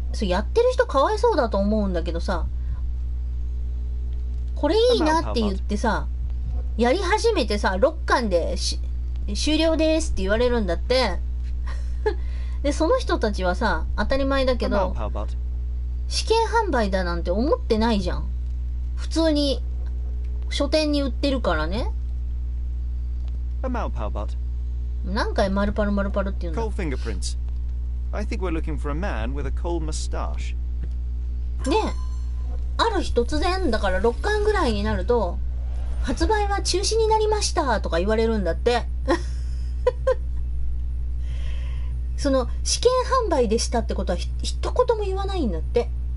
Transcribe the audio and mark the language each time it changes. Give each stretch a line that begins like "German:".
Japanese: それやってる人かわいそうだと思うんだけどさ、これいいなって言ってさ、やり始めてさ6巻で終了ですって言われるんだってでその人たちはさ当たり前だけど試験販売だなんて思ってないじゃん、普通に書店に売ってるからね。何回マルパルマルパルって言うんだ。コールフィンガープリンツ。
English: I think we're looking for a man with a cold mustache.
Japanese: ね、ある日突然だから6巻ぐらいになると発売は中止になりましたとか言われるんだってその試験販売でしたってことは一言も言わないんだって。